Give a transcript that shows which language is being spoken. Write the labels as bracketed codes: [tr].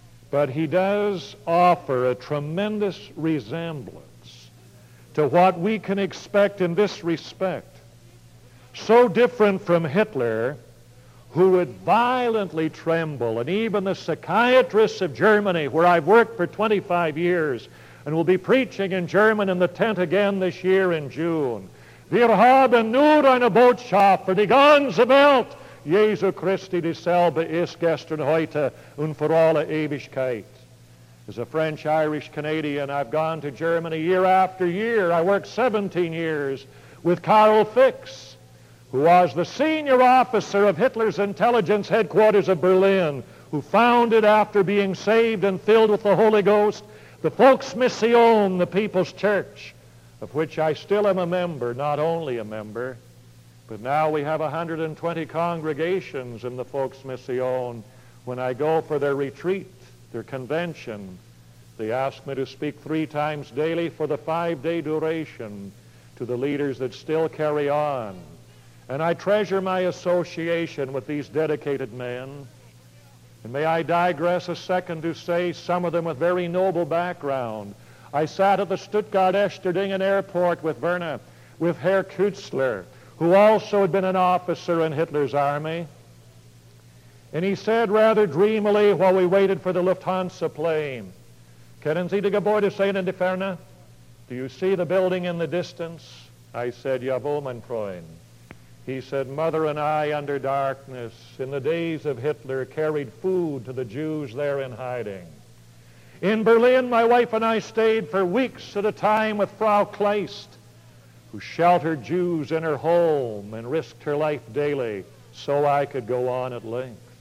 [en] But he does offer a tremendous resemblance to what we can expect in this respect. So different from Hitler, who would violently tremble, and even the psychiatrists of Germany, where I've worked for 25 years and will be preaching in German in the tent again this year in June. [de] Wir haben nur eine Botschaft für die ganze Welt. Jesu Christi dieselbe ist gestern, heute und für alle Ewigkeit. [en] As a French, Irish, Canadian, I've gone to Germany year after year. I worked 17 years with Karl Fix, who was the senior officer of Hitler's intelligence headquarters of Berlin, who founded after being saved and filled with the Holy Ghost, the Folks Mission, the People's Church, of which I still am a member, not only a member, but now we have 120 congregations in the Folks Mission. When I go for their retreat, their convention, they ask me to speak 3 times daily for the 5-day duration to the leaders that still carry on. And I treasure my association with these dedicated men. And may I digress a second to say some of them with very noble background. I sat at the Stuttgart-Echterdingen Airport with Verna, with Herr Kutzler, who also had been an officer in Hitler's army. And he said rather dreamily while we waited for the Lufthansa plane, [de] "Können Sie die Gebäude sehen in der Ferne? [en] Do you see the building in the distance?" I said, [de] "Jawohl, mein Freund." [en] He said, "Mother and I, under darkness, in the days of Hitler, carried food to the Jews there in hiding." In Berlin, my wife and I stayed for weeks at a time with Frau Kleist, who sheltered Jews in her home and risked her life daily, so I could go on at length.